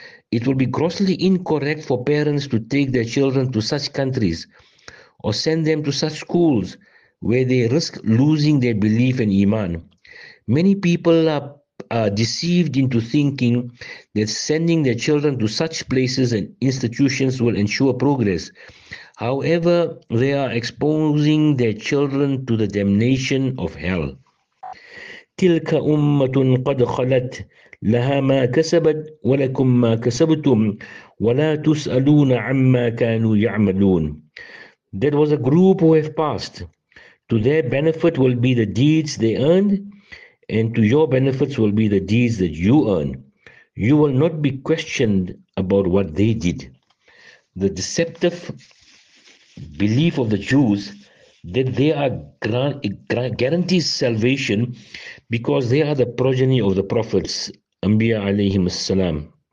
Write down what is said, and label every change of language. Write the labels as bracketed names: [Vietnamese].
[English] It will be grossly incorrect for parents to take their children to such countries or send them to such schools where they risk losing their belief in Iman. Many people are deceived into thinking that sending their children to such places and institutions will ensure progress. However, they are exposing their children to the damnation of hell. [Arabic] تلك أمة قد خلت لها ما كسبت ولكم ما كسبتم ولا تسألون عما كانوا يعملون. [English] That was a group who have passed. To their benefit will be the deeds they earned, and to your benefits will be the deeds that you earn. You will not be questioned about what they did. The deceptive belief of the Jews that they are guaranteed salvation because they are the progeny of the prophets, Anbiya alayhim as-salam.